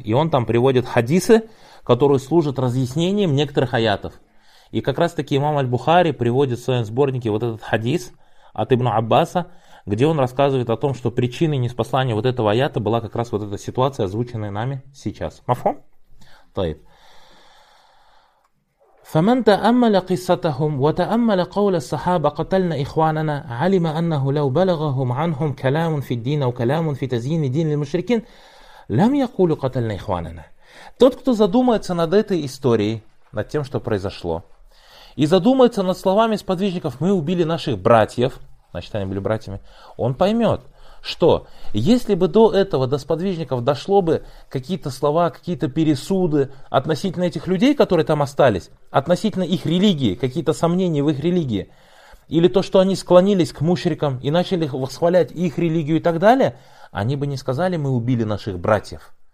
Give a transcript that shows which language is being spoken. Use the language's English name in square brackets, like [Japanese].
[Russian] И он там приводит хадисы, которые служат разъяснением некоторых аятов. И как раз таки имам Аль-Бухари приводит в своем сборнике вот этот хадис от Ибн Аббаса, где он рассказывает о том, что причиной неспослания вот этого аята была как раз вот эта ситуация, озвученная нами сейчас. [Arabic] Мафхум? Тайб. فمن تأمل قصتهم وتأمل قول الصحابة قتلنا إخواننا علم أنه لو بلغهم عنهم كلام في الدين أو كلام في تزيين دين المشركين لم يقولوا قتلنا إخواننا. [Russian] Тот, кто задумается над этой историей, над тем, что произошло, и задумается над словами сподвижников «мы убили наших братьев», значит, они были братьями, он поймет, что если бы до этого, до сподвижников, дошло бы какие-то слова, какие-то пересуды относительно этих людей, которые там остались, относительно их религии, какие-то сомнения в их религии, или то, что они склонились к мушрикам и начали восхвалять их религию и так далее, они бы не сказали «мы убили наших братьев».